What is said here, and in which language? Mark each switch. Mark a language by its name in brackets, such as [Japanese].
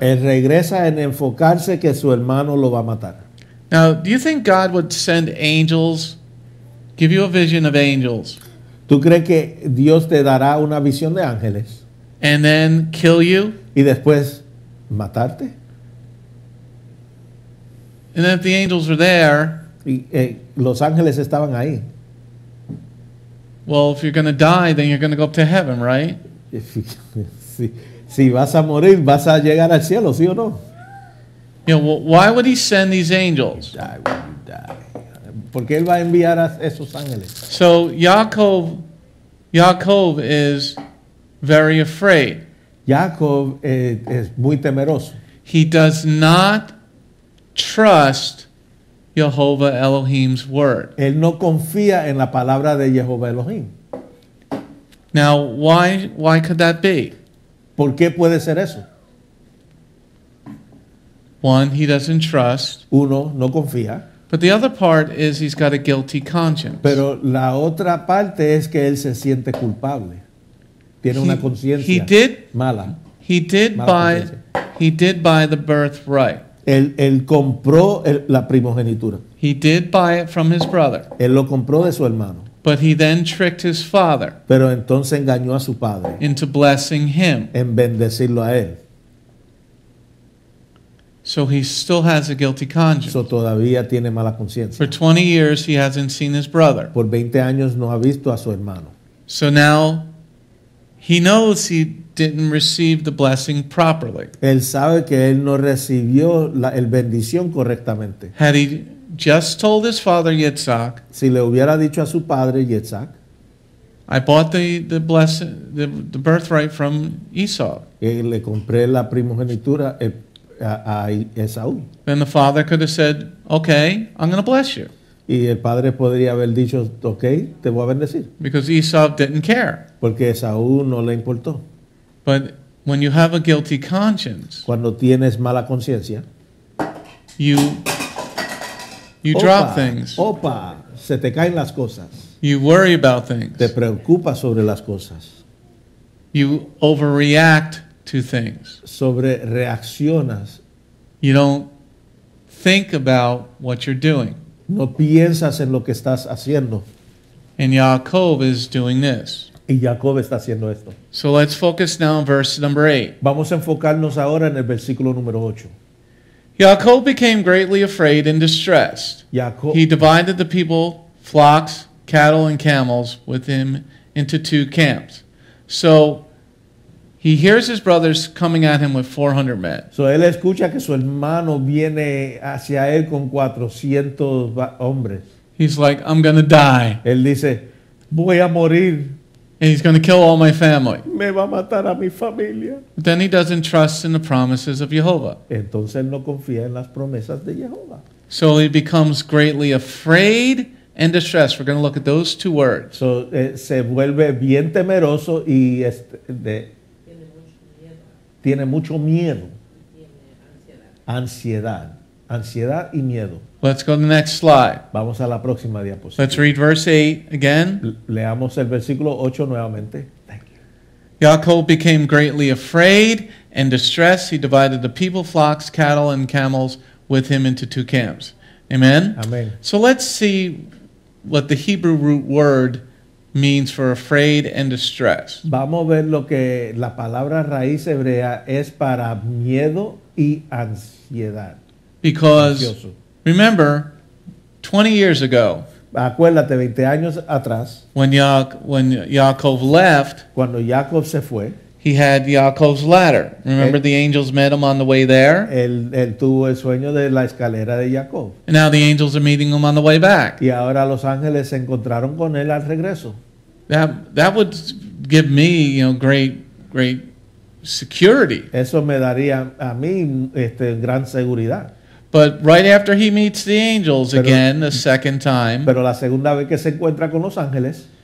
[Spanish] Él regresa en enfocarse que su hermano lo va a matar. [English] Now, do you think God would send angels, give you a vision of angels? [Spanish] ¿Tú crees que Dios te dará una visión de ángeles? [English] And then kill you? [Spanish] ¿Y después matarte? [English] And then if the angels are there, [Spanish] los ángeles estaban ahí. [English] Well, if you're going to die, then you're going to go up to heaven, right? [Spanish] Sí. Si vas a morir, vas a llegar al cielo, ¿sí o no? [English] You know, well, why would he send these angels? [Spanish] ¿Por qué él va a enviar a esos ángeles? [English] So Yaakov is very afraid. [Spanish] Yaakov es muy temeroso. [English] He does not trust Jehovah Elohim's word. [Spanish] Él no confía en la palabra de Jehovah Elohim. [English] Now, why could that be? [Spanish] ¿Por qué puede ser eso? [English] One, he doesn't trust. [Spanish] Uno, no confía. [English] But the other part is he's got a guilty conscience. [Spanish] Pero la otra parte es que él se siente culpable. Tiene una conciencia mala. [English] He did buy the birthright. [Spanish] Él compró la primogenitura. [English] He did buy it from his brother. [Spanish] Él lo compró de su hermano. [English] But he then tricked his father. [Spanish] Pero entonces engañó a su padre. [English] Into blessing him. [Spanish] En bendecirlo a él. [English] So he still has a guilty conscience. [Spanish] So todavía tiene mala conciencia. [English] For 20 years he hasn't seen his brother. [Spanish] Por 20 años no ha visto a su hermano. [English] So now he knows he didn't receive the blessing properly. [Spanish] Él sabe que él no recibió el bendición correctamente. [English] Had he just told his father Yitzhak, [Spanish] si le hubiera dicho a su padre Yitzhak, [English] I bought the blessing, the birthright from Esau. [Spanish] Y le compré la primogenitura a Esaú. [English] Then the father could have said, okay, I'm going to bless you. [Spanish] Y el padre podría haber dicho, okay, te voy a bendecir. [English] Because Esau didn't care. [Spanish] Porque Esaú no le importó. [English] But when you have a guilty conscience, [Spanish] cuando tienes mala conciencia, [English] you drop things. [Spanish] Opa, se te caen las cosas. [English] You worry about things. [Spanish] Te preocupas sobre las cosas. [English] You overreact to things. [Spanish] Sobre reaccionas. [English] You don't think about what you're doing. [Spanish] No piensas en lo que estás haciendo. [English] And Jacob is doing this. [Spanish] Y Jacob está haciendo esto. [English] So let's focus now on verse number 8. [Spanish] Vamos a enfocarnos ahora en el versículo número 8. [English] Jacob became greatly afraid and distressed. [Spanish] Jacob. [English] He divided the people, flocks, cattle, and camels with him into two camps. So he hears his brothers coming at him with 400 men. [Spanish] So él escucha que su hermano viene hacia él con 400 hombres. [English] He's like, I'm going to die. [Spanish] Él dice, voy a morir. [English] And he's going to kill all my family. [Spanish] Me va a matar a mi familia. [English] But then he doesn't trust in the promises of Jehovah. [Spanish] Entonces él no confía en las promesas de Jehovah. [English] So he becomes greatly afraid and distressed. We're going to look at those two words. [Spanish] So se vuelve bien temeroso y tiene mucho miedo. Ansiedad. Ansiedad y miedo. [English] Let's go to the next slide. [Spanish] Vamos a la próxima diapositiva. [English] Let's read verse 8 again. [Spanish] Leamos el versículo 8 nuevamente. [English] Thank you. Jacob became greatly afraid and distressed. He divided the people, flocks, cattle, and camels with him into two camps. Amen? Amen. So let's see what the Hebrew root word means for afraid and distressed. [Spanish] Vamos a ver lo que la palabra raíz hebrea es para miedo y ansiedad. [English] Because remember, 20 years ago, [Spanish] acuérdate, 20 años atrás, [English] when Jacob left, [Spanish] cuando Jacob se fue, [English] he had Jacob's ladder. Remember, the angels met him on the way there. [Spanish] Él tuvo el sueño de la escalera de Jacob. [English] And now the angels are meeting him on the way back. [Spanish] Y ahora los ángeles se encontraron con él al regreso. [English] That would give me, you know, great security. [Spanish] Eso me daría a mí gran seguridad. [English] But right after he meets the angels again, the second time, [Spanish] pero la segunda vez que se encuentra con los ángeles,